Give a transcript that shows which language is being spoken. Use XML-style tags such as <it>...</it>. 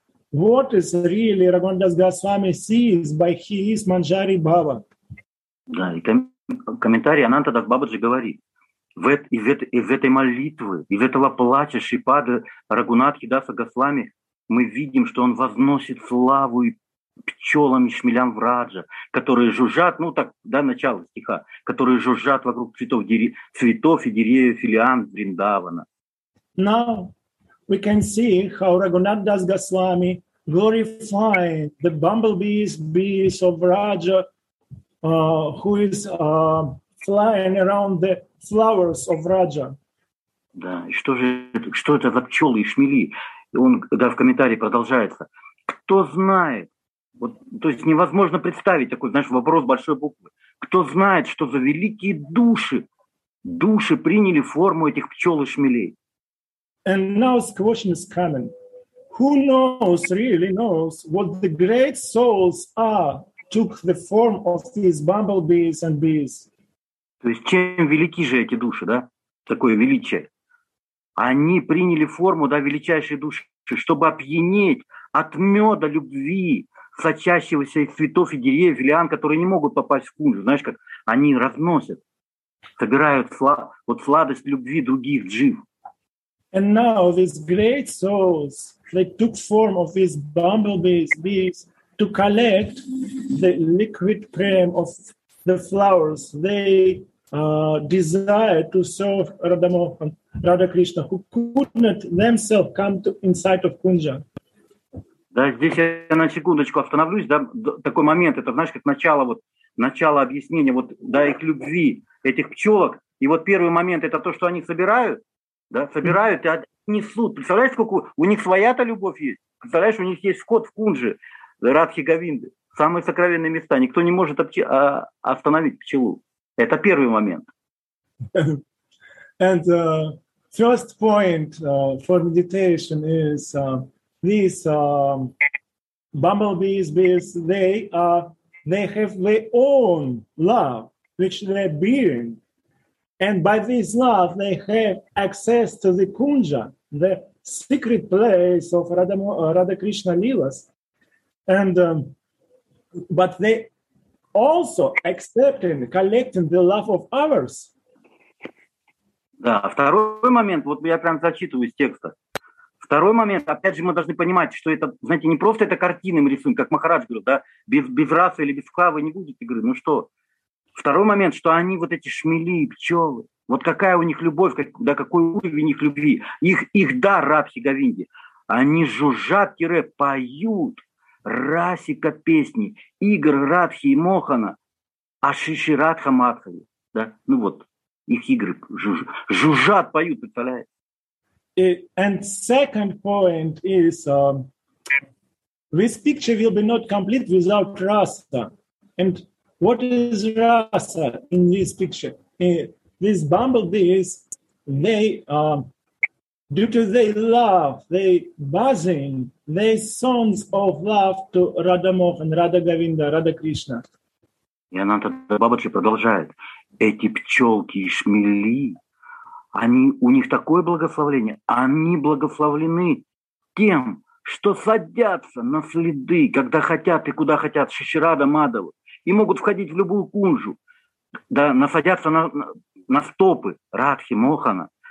<en>what is really Raghunandas Goswami sees by he is Manjari Bhava.</en> <ru>Да, и комментарий Анантадас Бабаджи говорит, в этой молитве, из этого плача Шипады Рагунатхи Даса Гасвами мы видим, что он возносит славу и пчелам и шмелям в Раджа, которые жужжат, ну так, да, начало стиха, которые жужжат вокруг цветов, цветов и деревьев и лиан Вриндавана.</ru> <en>Now we can see how Raghunath Das Goswami glorify the bumblebees, bees of Raja, who is flying around the flowers of Raja.</en> <ru>Да, и что же, что это за пчелы и шмели? Он, да, в комментарии продолжается. Кто знает, вот, то есть невозможно представить такой, знаешь, вопрос большой буквы. Кто знает, что за великие души, души приняли форму этих пчел и шмелей?</ru> <en>And now the question is coming. Who knows, really knows, what the great souls are, took the form of these bumblebees and bees?</en> <ru>То есть чем велики же эти души, да? Такое величие. Они приняли форму, да, величайшей души, чтобы опьянеть от меда любви, сочащегося из цветов и деревьев, лиан, которые не могут попасть в кунжу. Знаешь, как они разносят, собирают вот сладость любви других джив.</ru> <en>And now these great souls, they took form of these bumblebees, bees, to collect the liquid cream of the flowers. They desire to serve Radha Mohan, Radha Krishna, who could not themselves come to inside of Kunja.</en> <ru>Да, здесь я на секундочку остановлюсь, да, такой момент, это, знаешь, как начало, вот, начало объяснения, вот, да, их любви, этих пчелок, и вот первый момент, это то, что они собирают, да, собирают и несут, представляешь, сколько у них своя-то любовь есть, представляешь, у них есть вход в кунжи, Радхи Говинды, самые сокровенные места, никто не может остановить пчелу, это первый момент.</ru> <en>And first point for meditation is... These bumblebees, bees, they have their own love, which they are bearing. And by this love, they have access to the kunja, the secret place of Radha Krishna Lilas. And, but they also accepting, collecting the love of others.</en> <ru>Да, второй момент, вот я прям зачитываю из текста. Второй момент, опять же, мы должны понимать, что это, знаете, не просто это картины мы рисуем, как Махарадж говорил, да, без расы или без хавы не будет игры. Ну что? Второй момент, что они вот эти шмели, пчелы, вот какая у них любовь, как, да, какой уровень их любви, их дар Радхи Говинде, они жужжат тире, поют расика песни, игр Радхи и Мохана, Ашиши Радха Матхави, да, ну вот, их игры жужжат, поют, представляете?</ru> <en>And second point is, this picture will be not complete without Rasa. And what is Rasa in this picture? These bumblebees, they, due to their love, they buzzing, they songs of love to Radha Mohan, Radha Govinda, Radha Krishna.</en> <ru>И она тогда, Бабаджи, продолжает. Эти пчелки и шмели... Они, у них такое благословение, они благословлены тем, что садятся на следы, когда хотят и куда хотят, Шишрада Мадава, и могут входить в любую кунжу, да, насадятся на стопы Радхи Мохана.</ru>